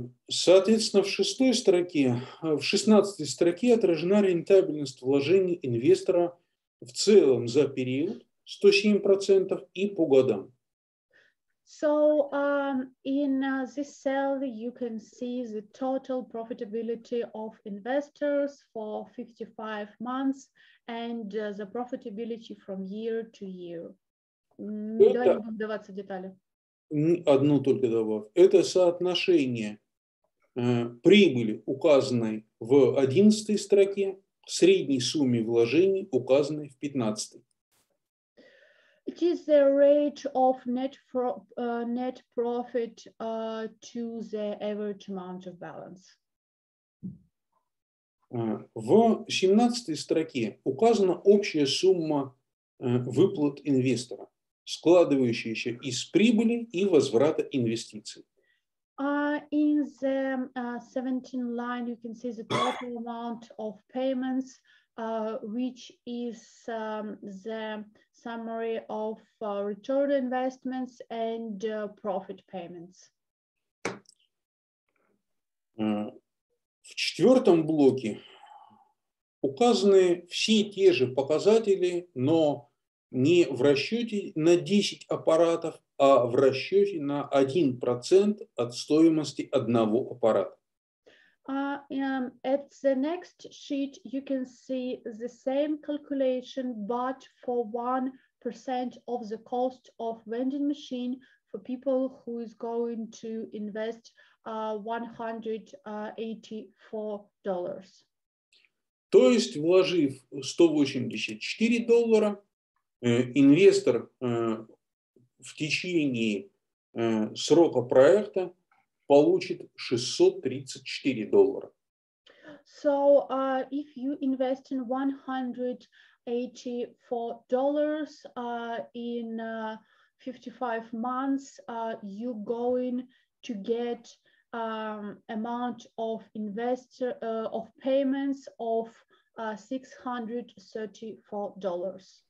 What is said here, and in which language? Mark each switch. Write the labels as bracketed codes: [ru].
[ru] Соответственно, в шестой строке, в шестнадцатой строке отражена рентабельность вложений инвестора в целом за период 107% и по годам. [en] So in this cell you can see the total profitability of investors for 55 months and the profitability from year to year. [ru] Давай не будем вдаваться в детали. Одну только добавлю. Это соотношение прибыли, указанной в 11 строке, средней сумме вложений, указанной в 15. [en] It is the rate of net profit to the average amount of balance. [ru] В 17 строке указана общая сумма выплат инвестора, складывающаяся из прибыли и возврата инвестиций. [en] In the 17th line, you can see the total amount of payments, which is the summary of return investments and profit payments. [ru] В четвертом блоке указаны все те же показатели, но не в расчете на 10 аппаратов, а в расчете на 1% от стоимости одного аппарата. [en] At the next sheet, you can see the same calculation, but for 1% of the cost of vending machine for people who is going to invest $184. [ru] То есть, вложив $184, инвестор в течение срока проекта получит $634. [en] So if you invest in $184 in 55 months, you're going to get amount of investor of payments of $634.